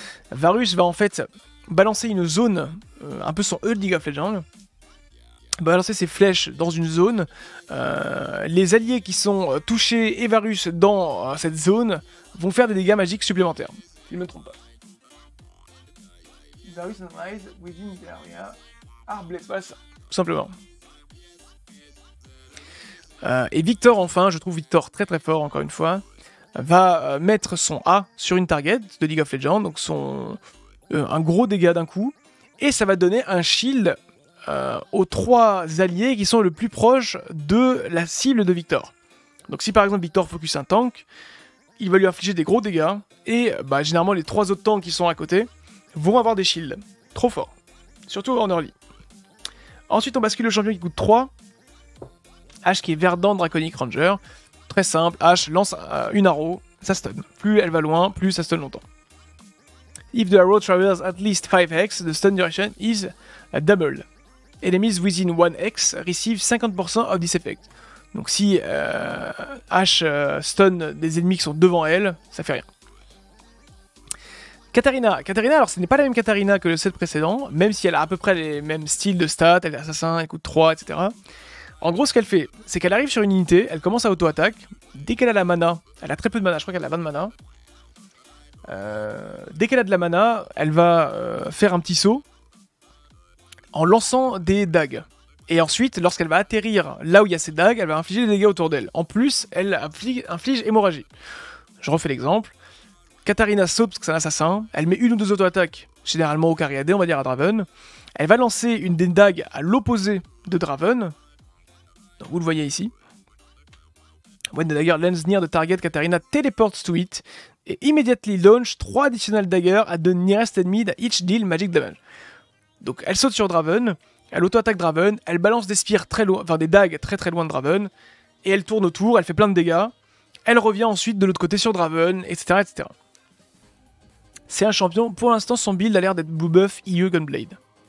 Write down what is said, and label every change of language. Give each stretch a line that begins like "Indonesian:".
French: Varus va en fait balancer une zone, un peu son E de League of Legends. Balancer ses flèches dans une zone, les alliés qui sont touchés et Varus dans cette zone vont faire des dégâts magiques supplémentaires. Si je ne me trompe pas.
English: Varus and Rise within the area.
French: Ah, blesse, voilà ça. Tout simplement. Et Victor, enfin, je trouve Victor très très fort encore une fois, va mettre son A sur une target de League of Legends, donc un gros dégât d'un coup, et ça va donner un shield aux trois alliés qui sont le plus proche de la cible de Victor. Donc si par exemple Victor focus un tank, il va lui infliger des gros dégâts, et bah, généralement les trois autres tanks qui sont à côté vont avoir des shields. Trop fort. Surtout en early. Ensuite on bascule le champion qui coûte 3. Ashe qui est Verdant Draconic Ranger. Très simple, Ashe lance une arrow, ça stun. Plus elle va loin, plus ça stun longtemps.
English: If the arrow travels at least 5x, the stun duration is doubled. enemies within 1x receive 50% of this effect.
French: Donc si Ashe stun des ennemis qui sont devant elle, ça fait rien. Katarina, alors ce n'est pas la même Katarina que le set précédent, même si elle a à peu près les mêmes styles de stats, elle est assassin, elle coûte 3, etc. En gros, ce qu'elle fait, c'est qu'elle arrive sur une unité, elle commence à auto-attaque, dès qu'elle a la mana, elle a très peu de mana, je crois qu'elle a 20 de mana, dès qu'elle a de la mana, elle va faire un petit saut en lançant des dagues. Et ensuite, lorsqu'elle va atterrir là où il y a ses dagues, elle va infliger des dégâts autour d'elle. En plus, elle inflige hémorragie. Je refais l'exemple. Katarina saute parce que c'est un assassin. Elle met une ou deux auto-attaques, généralement au Cariadé, on va dire à Draven. Elle va lancer une des dagues à l'opposé de Draven. Donc vous le voyez ici.
English: When the dagger lands near the target, Katarina teleports to it et immediately launch 3 additional daggers at the nearest enemy that each deal magic damage.
French: Donc elle saute sur Draven, elle auto-attaque Draven, elle balance des spires très loin, enfin des dagues très très loin de Draven, et elle tourne autour, elle fait plein de dégâts, elle revient ensuite de l'autre côté sur Draven, etc. etc. C'est un champion, pour l'instant son build a l'air d'être blue buff IE Gunblade.